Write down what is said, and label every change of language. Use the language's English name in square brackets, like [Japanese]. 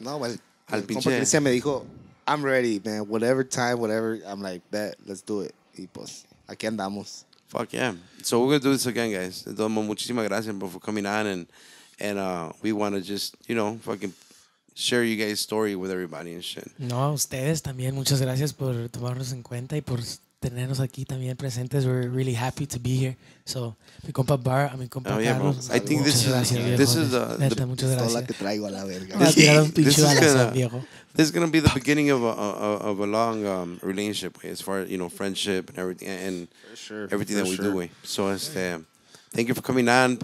[English] No, well, Cristian [Spanish] me dijo, [English] I'm ready, man. Whatever time, whatever. I'm like, bet, let's do it. [Spanish] Y pues, aquí andamos. [English] Fuck yeah. So we're going to do this again, guys. [Spanish] Entonces, muchísimas gracias, [English] bro, for coming on. And we want to just, you know, fucking share you guys' story with everybody and shit. [Spanish] No, a ustedes también. Muchas gracias por tomarnos en cuenta y por tenernos aquí también presentes. [English] We're really happy to be here. So, [Spanish] mi compa Bar, mi compa Carlos. [English] I think this is going to be the beginning of a long relationship, as far as, you know, friendship and everything So, thank you for coming on.